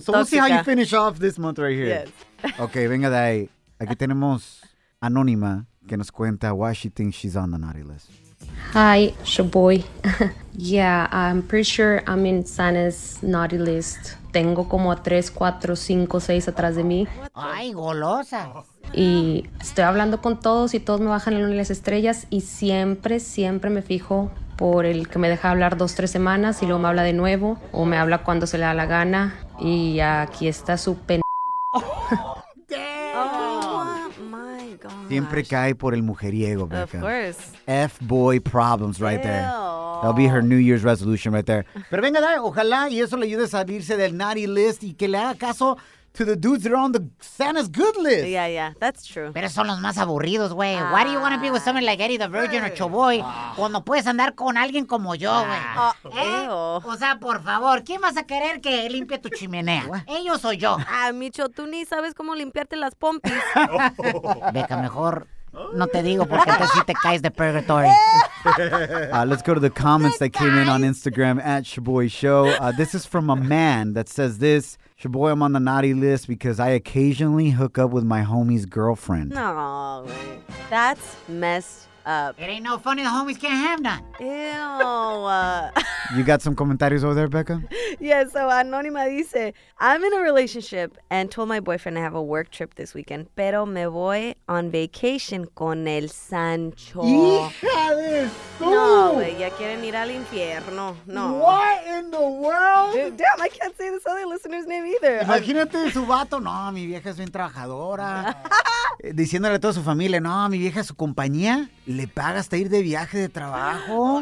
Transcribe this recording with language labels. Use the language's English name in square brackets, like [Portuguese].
[English] So we'll see how you finish off this month right here. Yes. [Spanish] Okay, venga de ahí. Aquí tenemos Anónima, que nos cuenta [English] why she thinks she's on the naughty list. Hi, ShaBoy. Yeah, I'm pretty sure I'm in Santa's naughty list. [Spanish] Tengo como 3, 4, 5, 6 atrás de mí. Ay, golosa. Y estoy hablando con todos y todos me bajan la luna y las estrellas y siempre me fijo por el que me deja hablar 2, 3 semanas y luego me habla de nuevo o me habla cuando se le da la gana y aquí está su pen. Siempre cae por el mujeriego, Becca. [English] Of course. F-boy problems right there. That'll be her New Year's resolution right there. [Spanish] Pero venga, dale, ojalá y eso le ayude a salirse del naughty list y que le haga caso [English] to the dudes that are on the Santa's good list. Yeah, that's true. [Spanish] Pero son los más aburridos, güey. [English] Why do you want to be with someone like Eddie the Virgin or ChoBoy [Spanish] cuando puedes andar con alguien como yo, güey? O sea, por favor, ¿quién vas a querer que limpie tu chimenea? ¿Ellos o yo? Ah, Micho, tú ni sabes cómo limpiarte las pompis. Beca, mejor no te digo porque entonces sí te caes de purgatory. [English] Let's go to the comments that came in on Instagram at ShaBoy Show. This is from a man that says this. ShaBoy, I'm on the naughty list because I occasionally hook up with my homie's girlfriend. No, that's messed up. It ain't no funny. The homies can't have none. Ew. You got some comentarios over there, Becca? Yeah, so Anonima dice, I'm in a relationship and told my boyfriend I have a work trip this weekend, [Spanish] pero me voy [English] on vacation [Spanish] con el Sancho. ¡Hija de su! No, güey, ya quieren ir al infierno. No. [English] What in the world? Dude, damn, I can't say this other listener's name either. [Spanish] Imagínate su vato. No, mi vieja es bien trabajadora. Diciéndole a toda su familia, no, mi vieja, su compañía, le paga hasta ir de viaje de trabajo.